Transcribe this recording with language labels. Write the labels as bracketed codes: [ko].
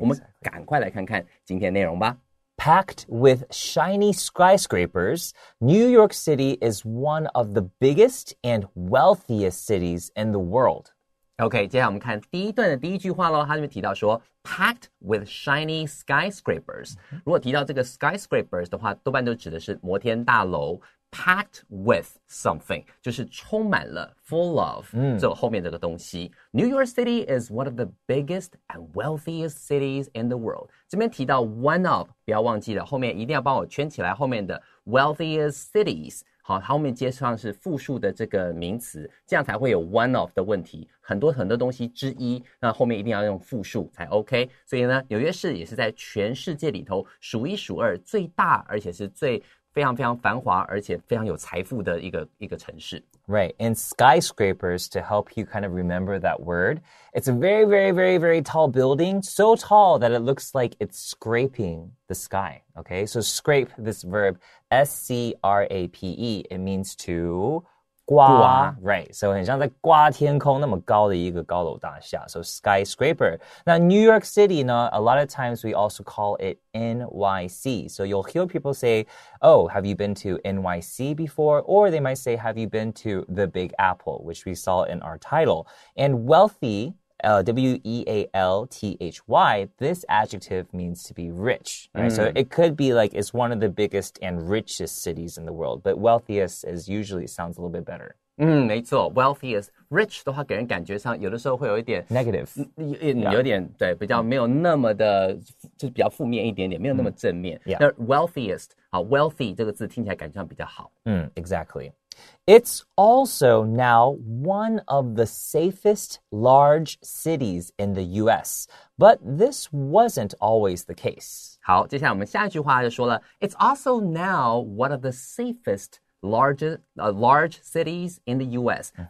[zh] 我们赶快来看看今天内容吧。 [en] Packed with shiny skyscrapers, New York City is one of the biggest and wealthiest cities in the world. [zh] Okay, 接下来我们看第一段的第一句话咯，它里面提到说 [en] packed with shiny skyscrapers. [zh] 如果提到这个 skyscrapers 的话，多半都指的是摩天大楼。 Packed with something, 就是充满了 full of, 就后面这个东西。 [en] New York City is one of the biggest and wealthiest cities in the world. [zh] 这边提到 one of, 不要忘记了，后面一定要帮我圈起来后面的 wealthiest cities, 好，后面接上是复数的这个名词，这样才会有 one of 的问题。很多很多东西之一，那后面一定要用复数才 OK。所以呢，纽约市也是在全世界里头数一数二最大，而且是最非常非常繁华而且非常有财富的一个城市。 [en] Right, and skyscrapers, to help you kind of remember that word, it's a very, very, very, very tall building, so tall that it looks like it's scraping the sky, okay? So scrape, this verb, S-C-R-A-P-E, it means to 刮 right, so [zh] 很像在刮天空那么高的一个高楼大厦 [en] so skyscraper. Now, New York City, you know, a lot of times we also call itNYC. So you'll hear people say, oh, have you been to NYC before? Or they might say, have you been to the Big Apple, which we saw in our title. And wealthy, W-E-A-L-T-H-Y, this adjective means to be rich. Right? So it could be like it's one of the biggest and richest cities in the world. But wealthiest is usually sounds a little bit better. [zh] 没错 wealthiest, rich 的话给人感觉上有的时候会有一点 [en] negative, [zh] 有点、yeah. 对比较没有那么的、就是比较负面一点点没有那么正面、 [en] yeah. [zh] 那 wealthiest, 好 wealthy 这个字听起来感觉上比较好、 [en] exactly. It's also now one of the safest large cities in the US, but this wasn't always the case. [zh] 好接下来我们下一句话就说了 [en] It's also now one of the safestlarge cities in the U.S.、Uh-huh.